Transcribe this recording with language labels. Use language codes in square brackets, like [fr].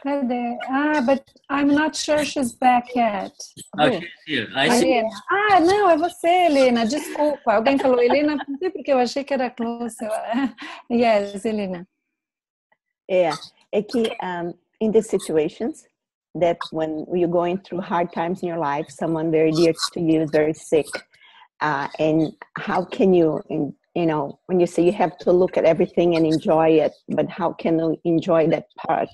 [en] Ah, but I'm not sure she's back yet. Okay, she's here. I see. [pt] Ah, não, é você, Helena. Desculpa. Alguém falou Helena, não sei porque eu achei que era close. [en] Yes, Helena. Yeah. [pt] É que [en] in these situations, that when you're going through hard times in your life, someone very dear to you is very sick, and how can you, you know, when you say you have to look at everything and enjoy it, but how can you enjoy that part?